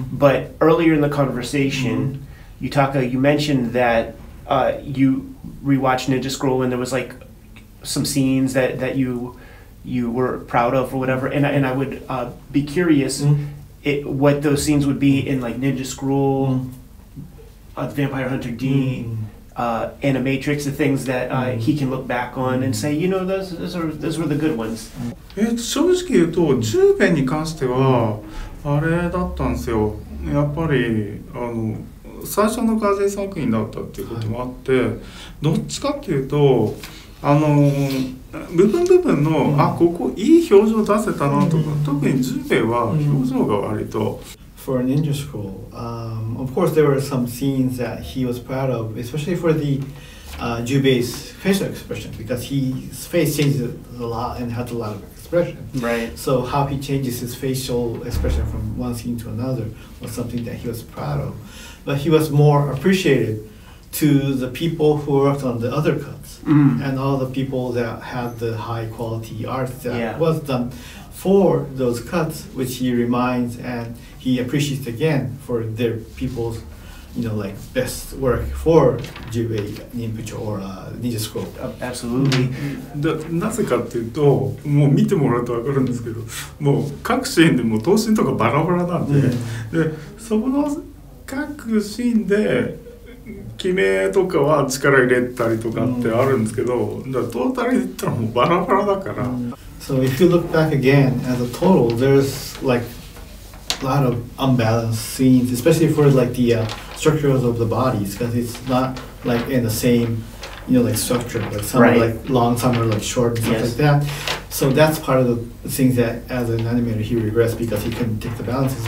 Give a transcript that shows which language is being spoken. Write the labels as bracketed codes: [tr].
[en] But earlier in the conversation, Yutaka, you mentioned that you rewatched Ninja Scroll and there was like some scenes that you were proud of or whatever, and I would be curious what those scenes would be in like Ninja Scroll, The Vampire Hunter D, Animatrix, the things that he can look back on and say, you know, those were the good ones. [ja] 正直言うと10編に関してはあれだったんですよ。やっぱり最初の風作品だったっていうこともあって、どっちかっていうと部分部分の、ここいい表情出せたなとか、特にジュベは表情が割と。 [en] For Ninja Scroll, of course there were some scenes that he was proud of, especially for the Jubei's facial expression, because his face changes a lot and has a lot of expression. Right. So how he changes his facial expression from one scene to another was something that he was proud of. But he was more appreciated to the people who worked on the other cuts and all the people that had the high quality art that was done for those cuts, which he reminds and he appreciates again for their people's, you know, like best work for Jubei, Ninpucho or Ninja Scroll. Absolutely. [ja] なぜかっていうと、もう見てもらうと分かるんですけど、もう各シーンでも頭身とかバラバラなんで、で、そこの各シーンで、決めとかは力入れたりとかってあるんですけど、だからトータルで言ったらもうバラバラだから。 [en] So if you look back again as a total, there's like a lot of unbalanced scenes, especially for like the structures of the bodies, because it's not like in the same, you know, like structure, like some are like long, some are like short, and stuff like that. So that's part of the things that as an animator he regrets because he couldn't take the balances.